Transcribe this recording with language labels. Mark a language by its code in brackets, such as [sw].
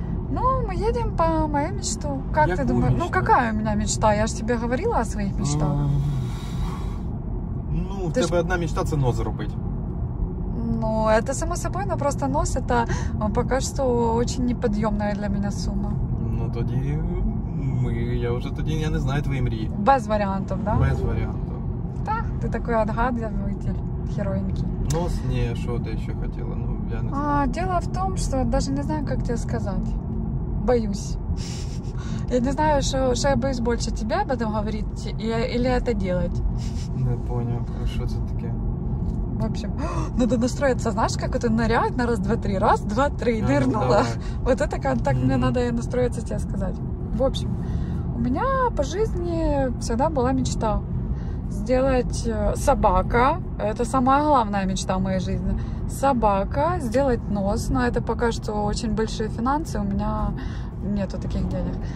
[ru] Ну, мы едем по моей мечту. Как [uk] яку [ru] ты думаешь? Мечту? Ну, какая у меня мечта? Я же тебе говорила о своих мечтах. Ну, у тебя одна мечта – это нос зарубить. Ну, это само собой, но просто нос это пока что очень неподъемная для меня сумма. [uk] Ну, тоді я уже тоді я не знаю твої мрії. Без варіантів, да? Без варіантів. Так, ти такий отгадуватель, героїнький. Нос, ні, що ти ще хотіла, ну, я не знаю. А, [ru] дело [uk] в тому, що навіть не знаю, як тебе сказати. Боюсь. Я не знаю, що я боюсь більше тебе [ru] об этом [uk] говорити, [ru] или это делать. Не понял, [uk] що це таке. [ru] В общем, надо настроиться, знаешь, как это ныряет на раз, два, три, раз, два, три, а, нырнула. Ну, вот это как, так мне надо настроиться тебе сказать. В общем, у меня по жизни всегда была мечта сделать собака, это самая главная мечта в моей жизни, собака, сделать нос, но это пока что очень большие финансы, у меня нету таких денег.